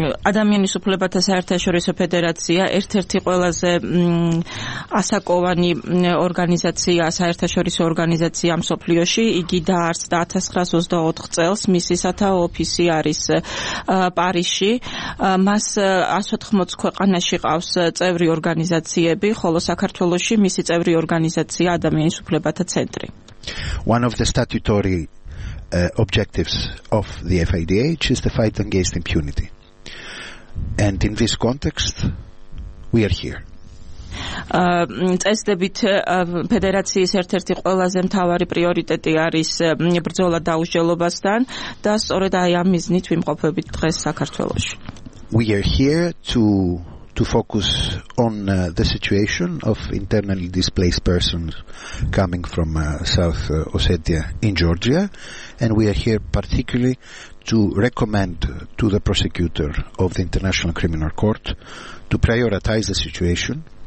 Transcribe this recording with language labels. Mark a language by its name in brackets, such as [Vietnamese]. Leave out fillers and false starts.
[Georgian] ადამიანის უფლებათა საერთაშორისო ფედერაცია ერთ-ერთი ყველაზე ასაკოვანი ორგანიზაცია, საერთაშორისო ორგანიზაცია მსოფლიოში. იგი დაარსდა 1924 წელს, მისი სათაო ოფისი არის პარიზში. მას 180 ქვეყანაში ყავს წევრი ორგანიზაციები, ხოლო საქართველოში მისი წევრი ორგანიზაცია ადამიანის უფლებათა ცენტრი. [English] One of the statutory objectives of the FIDH is the fight against impunity. And in this context, we are here. [Georgian] წესდებით ფედერაციის ერთ-ერთი ყველაზე მთავარი პრიორიტეტი არის ბრძოლა დაუსჯელობასთან და სწორედ აი ამ მიზნით ვიმყოფებით დღეს საქართველოში. [English] We are here to focus on the situation of internally displaced persons coming from South Ossetia in Georgia, and we are here particularly to recommend to the prosecutor of the International Criminal Court to prioritize the situation